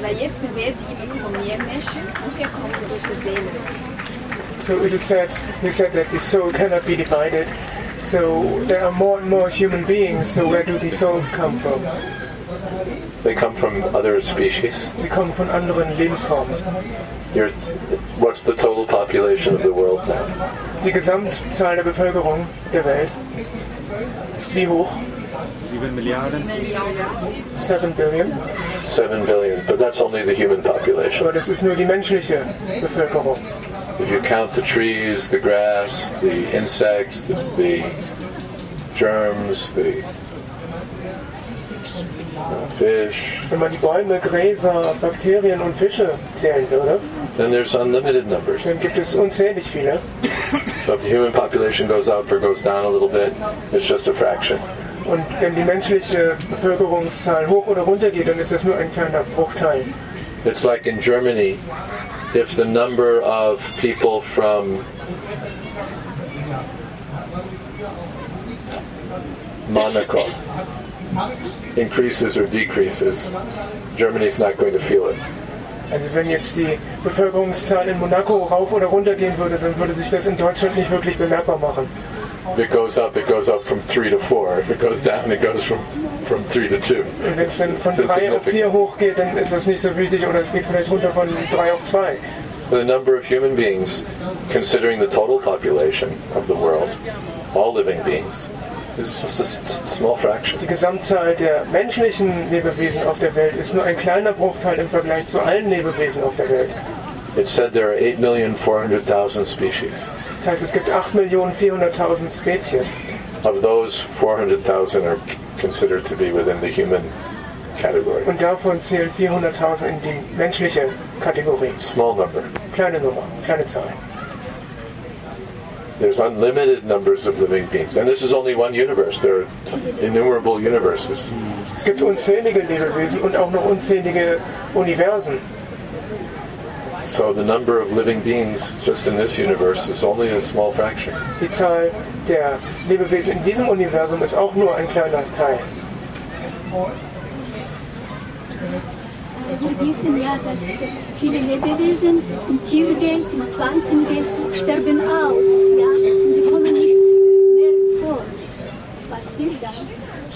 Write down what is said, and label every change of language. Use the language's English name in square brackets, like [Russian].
[German] Und weil jetzt die Welt immer mehr Menschen und hier kommt solche Seele. [English] So it is said, you said that the soul cannot be divided. So there are more and more human beings. So where do these souls come from? They come from other species. [German] Sie kommen von anderen Lebensformen. [English] What's the total population of the world now? [German] Die Gesamtzahl der Bevölkerung der Welt ist wie hoch? 7 Milliarden. [English] 7 Billion. 7 Billion, but that's only the human population. [German] Aber das ist nur die menschliche Bevölkerung. [English] If you count the trees, the grass, the insects, the germs, the fish. [German] Wenn man die Bäume, Gräser, Bakterien und Fische zählen würde, [English] then there's unlimited numbers. [German] Dann gibt es unzählig viele. [English] So if the human population goes up or goes down a little bit, it's just a fraction. [German] Und wenn die menschliche Bevölkerungszahl hoch oder runter geht, dann ist das nur ein kleiner Bruchteil. [English] It's like in Germany, if the number of people from Monaco increases or decreases, Germany's not going to feel it. [German] Also wenn jetzt die Bevölkerungszahl in Monaco rauf oder runter gehen würde, dann würde sich das in Deutschland nicht wirklich bemerkbar machen. [English] If it goes up from 3 to 4. If it goes down, it goes from 3 to 2. [German] Und wenn es dann von 3 auf 4 hochgeht, dann ist das nicht so wichtig, oder es geht vielleicht runter von 3 auf 2. [English] The number of human beings, considering the total population of the world, all living beings, is just a small fraction. [German] Die Gesamtzahl der menschlichen Lebewesen auf der Welt ist nur ein kleiner Bruchteil im Vergleich zu allen Lebewesen auf der Welt. [English] It said there are 8,400,000 species. [German] Das heißt, es gibt 8,400,000 Spezies. [English] Of those, 400,000 are considered to be within the human category. [German] Und davon zählen 400,000 in die menschliche Kategorie. [English] Small number. [German] Kleine Nummer, kleine Zahl. [English] There's unlimited numbers of living beings. And this is only one universe. There are innumerable universes. [German] Es gibt unzählige Lebewesen und auch noch unzählige Universen. [English] So the number of living beings just in this universe is only a small fraction. [German] Die Zahl der Lebewesen in diesem Universum ist auch nur ein kleiner Teil. Wir wissen ja, dass viele Lebewesen in Tierwelt, in Pflanzenwelt sterben aus. Ja? Und sie kommen nicht mehr vor. Was will das?